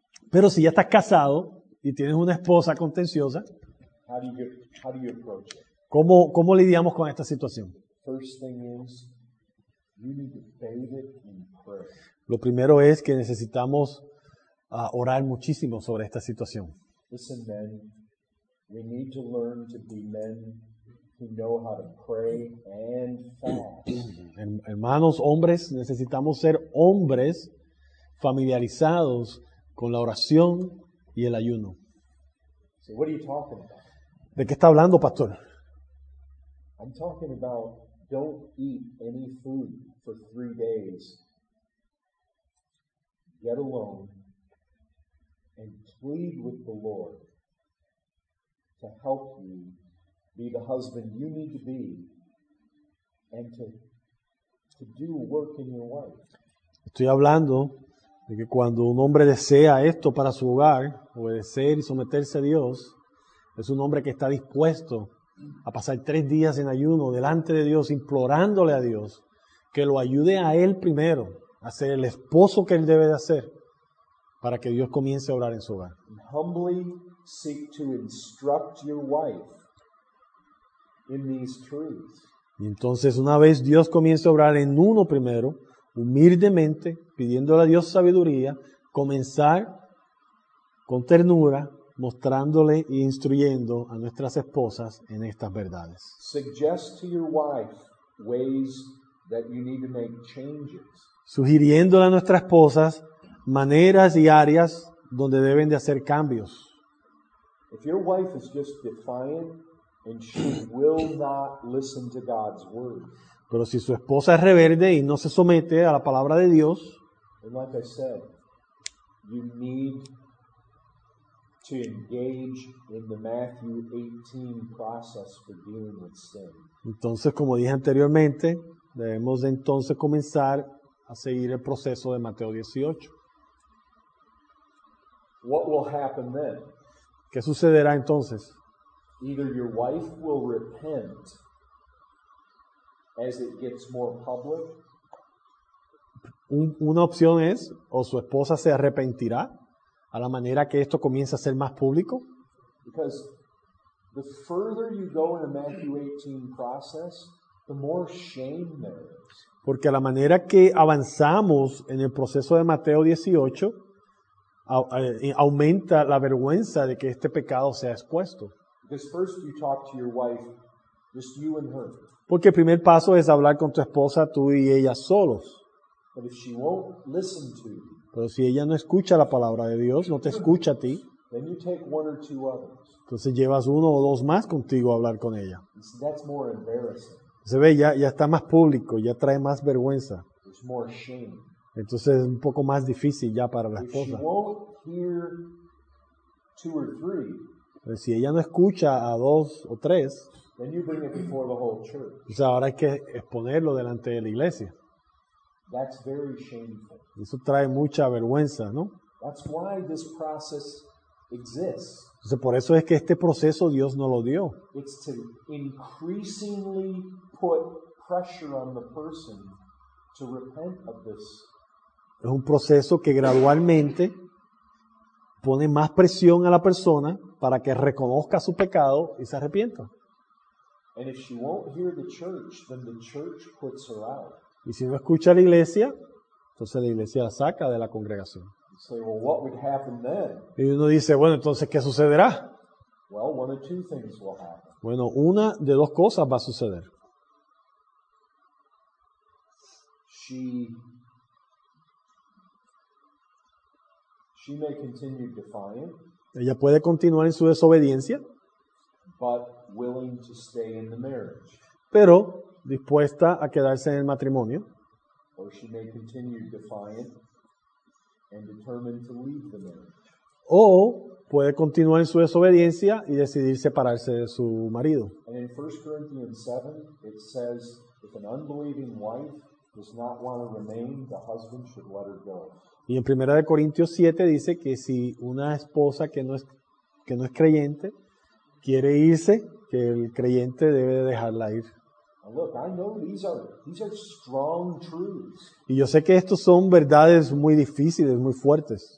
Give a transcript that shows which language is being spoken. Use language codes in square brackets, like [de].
[es] Pero si ya estás casado y tienes una esposa contenciosa, [en] How do you approach it? [es] ¿Cómo lidiamos con esta situación? [en] First thing is, you need to bathe it in prayer. [es] Lo primero es que necesitamos orar muchísimo sobre esta situación. [en] Listen, men, we need to learn to be men who know how to pray and fast. [es] Hermanos, hombres, necesitamos ser hombres familiarizados con la oración y el ayuno. [en] So what are you talking about? [es] ¿De qué está hablando, pastor? [en] I'm talking about don't eat any food for 3 days. Get alone and plead with the Lord to help you be the husband you need to be and to do work in your wife. [es] Estoy hablando de que cuando un hombre desea esto para su hogar, obedecer y someterse a Dios, es un hombre que está dispuesto a pasar 3 días en ayuno delante de Dios, implorándole a Dios que lo ayude a él primero a ser el esposo que él debe de hacer para que Dios comience a obrar en su hogar. [en] Humbly seek to instruct your wife in these truths. [es] Y entonces, una vez Dios comience a obrar en uno primero, humildemente, pidiéndole a Dios sabiduría, comenzar con ternura, mostrándole e instruyendo a nuestras esposas en estas verdades. [en] Suggest to your wife ways that you need to make changes. [es] Sugiriéndole a nuestras esposas maneras y áreas donde deben de hacer cambios. [en] If your wife is just defiant and she will not listen to God's word. [es] Pero si su esposa es rebelde y no se somete a la palabra de Dios, [en] and like I said, you need to engage in the Matthew 18 process for dealing with sin. [es] Entonces, como dije anteriormente, debemos entonces comenzar a seguir el proceso de Mateo 18. [en] What will happen then? [es] ¿Qué sucederá entonces? [en] Either your wife will repent as it gets more public. [es] Una opción es, o su esposa se arrepentirá a la manera que esto comienza a ser más público. [en] Because the further you go in the Matthew 18 process, the more shame there is. [es] Porque a la manera que avanzamos en el proceso de Mateo 18, aumenta la vergüenza de que este pecado sea expuesto. [en] Because first you talk to your wife, just you and her. [es] Porque el primer paso es hablar con tu esposa, tú y ella solos. [en] But if she won't listen to you, [es] pero si ella no escucha la palabra de Dios, no te escucha a ti, [en] then you take one or two others. [es] Entonces llevas uno o dos más contigo a hablar con ella. [en] See, that's more embarrassing. [es] Se ve, ya está más público, ya trae más vergüenza. [en] There's more shame. [es] Entonces es un poco más difícil ya para la [en] if [es] esposa. [en] She won't hear two or three, [es] pero si ella no escucha a dos o tres, [en] then you bring it before the whole church. [es] Pues ahora hay que exponerlo delante de la iglesia. [en] That's very shameful. [es] Eso trae mucha vergüenza, ¿no? [en] That's why this process exists. [es] Entonces, por eso es que este proceso Dios no lo dio. [en] It's to increasingly put pressure on the person to repent of this. [es] Es un proceso que gradualmente pone más presión a la persona para que reconozca su pecado y se arrepienta. [en] And if she won't hear the church, then the church puts her out. [es] Y si no escucha a la iglesia, entonces la iglesia la saca de la congregación. [en] Say, well, what would happen then? [es] Y uno dice, bueno, entonces, ¿qué sucederá? [en] Well, one of two things will happen. [es] Bueno, una de dos cosas va a suceder. [en] She may continue defiant, [es] ella puede continuar en su desobediencia, [en] but willing to stay in the marriage. [es] Pero dispuesta a quedarse en el matrimonio. [en] Or she may continue defiant and determined to leave the marriage. [es] O puede continuar en su desobediencia y decidir separarse de su marido. [en] And in 1 Corinthians 7, it says, if an unbelieving wife does not want to remain, the husband should let her go. [es] Y en 1 Corintios 7 dice que si una esposa que no es creyente quiere irse, que el creyente debe dejarla ir. [en] Look, I know these are strong truths. [es] Y yo sé que estos son verdades muy difíciles, muy fuertes.